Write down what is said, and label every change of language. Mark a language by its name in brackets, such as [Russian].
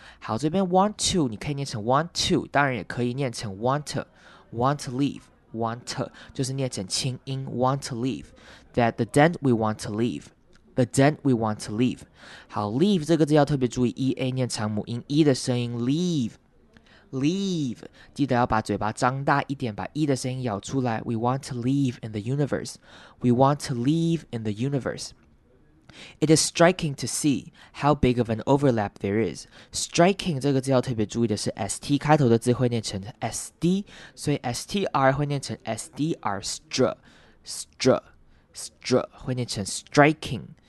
[Chinese] 好，这边 want to 你可以念成 want to， 当然也可以念成 want to leave， 就是念成轻音 want to leave， [English] that the dent we want to leave。 The dent we want to leave。 [Chinese] 好 ，leave 这个字要特别注意 ，ea 念长母音 ，e 的声音 leave。 Leave, 记得要把嘴巴张大一点，把 e 的声音咬出来。 [English] We want to leave in the universe. We want to leave in the universe. It is striking to see how big of an overlap there is. [Chinese] Striking 这个字要特别注意的是 st 开头的字会念成 sd, 所以 str 会念成 sdr, str 会念成 striking.